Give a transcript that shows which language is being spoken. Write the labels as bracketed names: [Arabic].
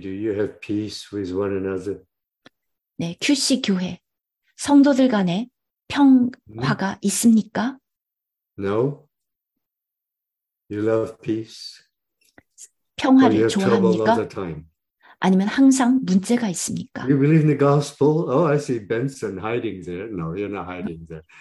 [English] Do you have peace with one another? [Korean] 네, QC 교회. 성도들 간에 평화가 있습니까? [English] No. You love peace? [Korean] 평화를 좋아합니까? 아니면 항상 문제가 있습니까? [English] You believe in the gospel? Oh, I see Benson hiding there. No, you're not hiding there.